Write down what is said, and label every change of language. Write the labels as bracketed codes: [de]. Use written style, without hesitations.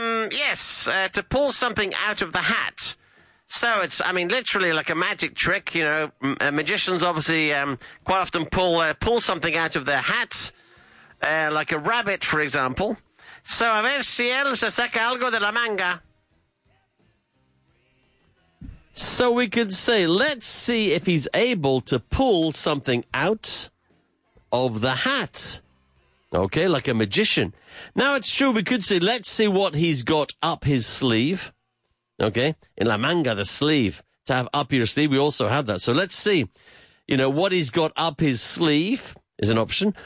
[en] Yes, to pull something out of the hat. So it's, I mean, literally like a magic trick. You know, magicians obviously quite often pull something out of their hat, like a rabbit, for example. [es] So a ver si él se saca algo de la manga. [en] So we could say, let's see if he's able to pull something out of the hat. Okay, like a magician. Now it's true, we could say, let's see what he's got up his sleeve. Okay, in la manga, the sleeve, to have up your sleeve, we also have that. So let's see, you know, what he's got up his sleeve is an option.